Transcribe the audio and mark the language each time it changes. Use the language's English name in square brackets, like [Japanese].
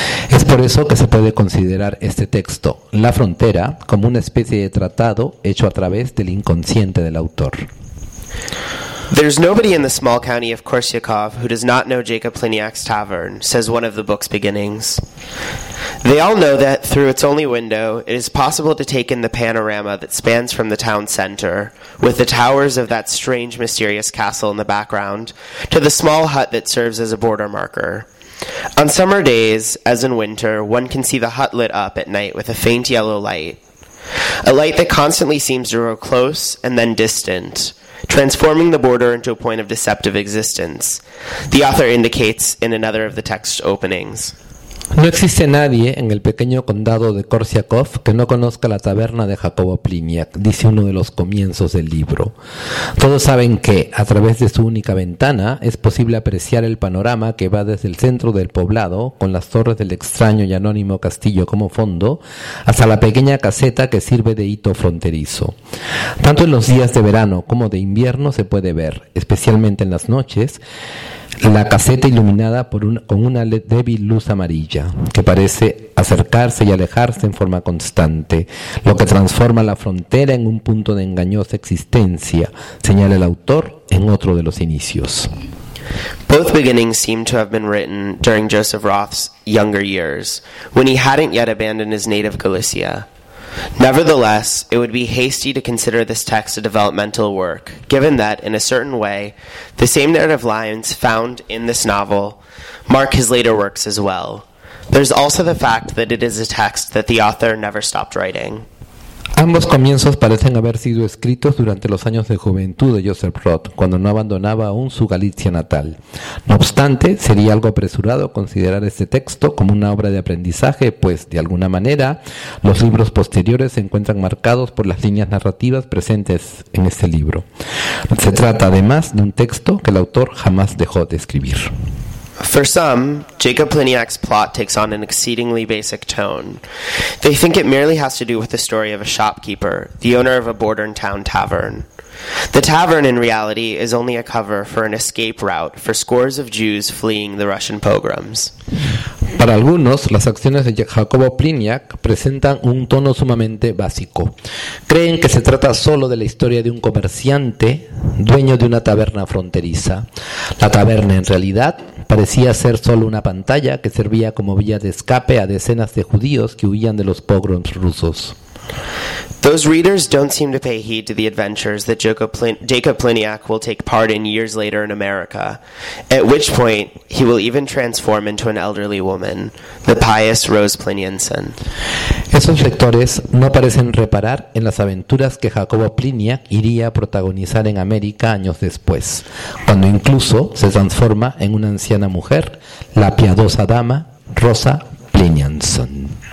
[Spanish] Es por eso que se puede considerar este texto, La frontera, como una especie de tratado hecho a través del inconsciente del autor. [English] There's nobody in the small county of Korsyakov who does not know Jacob Pliniak's tavern, says one of the book's beginnings. They all know that, through its only window, it is possible to take in the panorama that spans from the town center, with the towers of that strange, mysterious castle in the background, to the small hut that serves as a border marker. On summer days, as in winter, one can see the hut lit up at night with a faint yellow light, a light that constantly seems to grow close and then distant, transforming the border into a point of deceptive existence, the author indicates in another of the text's openings. [Spanish] No existe nadie en el pequeño condado de Korsyakov que no conozca la taberna de Jacobo Pliniak, dice uno de los comienzos del libro. Todos saben que, a través de su única ventana, es posible apreciar el panorama que va desde el centro del poblado, con las torres del extraño y anónimo castillo como fondo, hasta la pequeña caseta que sirve de hito fronterizo. Tanto en los días de verano como de invierno se puede ver, especialmente en las noches, la caseta iluminada con una débil luz amarilla, que parece acercarse y alejarse en forma constante, lo que transforma la frontera en un punto de engañosa existencia, señala el autor en otro de los inicios. [English] Both beginnings seem to have been written during Joseph Roth's younger years, when he hadn't yet abandoned his native Galicia. Nevertheless, it would be hasty to consider this text a developmental work, given that, in a certain way, the same narrative lines found in this novel mark his later works as well. There's also the fact that it is a text that the author never stopped writing. [Spanish] Ambos comienzos parecen haber sido escritos durante los años de juventud de Joseph Roth, cuando no abandonaba aún su Galicia natal. No obstante, sería algo apresurado considerar este texto como una obra de aprendizaje, pues, de alguna manera, los libros posteriores se encuentran marcados por las líneas narrativas presentes en este libro. Se trata, además, de un texto que el autor jamás dejó de escribir. [English] For some, Jacob Pliniak's plot takes on an exceedingly basic tone. They think it merely has to do with the story of a shopkeeper, the owner of a border town tavern. The tavern, in reality, is only a cover for an escape route for scores of Jews fleeing the Russian pogroms. [Spanish] Para algunos, las acciones de Jacobo Pliniak presentan un tono sumamente básico. Creen que se trata solo de la historia de un comerciante dueño de una taberna fronteriza. La taberna, en realidad, parecía ser solo una pantalla que servía como vía de escape a decenas de judíos que huían de los pogroms rusos. [English] Those readers don't seem to pay heed to the adventures that Jacob Pliniak will take part in years later in America, at which point he will even transform into an elderly woman, the pious Rose Plinianson. [Spanish] Esos lectores no parecen reparar en las aventuras que Jacobo Pliniak iría a protagonizar en América años después, cuando incluso se transforma en una anciana mujer, la piadosa dama Rosa Plinianson.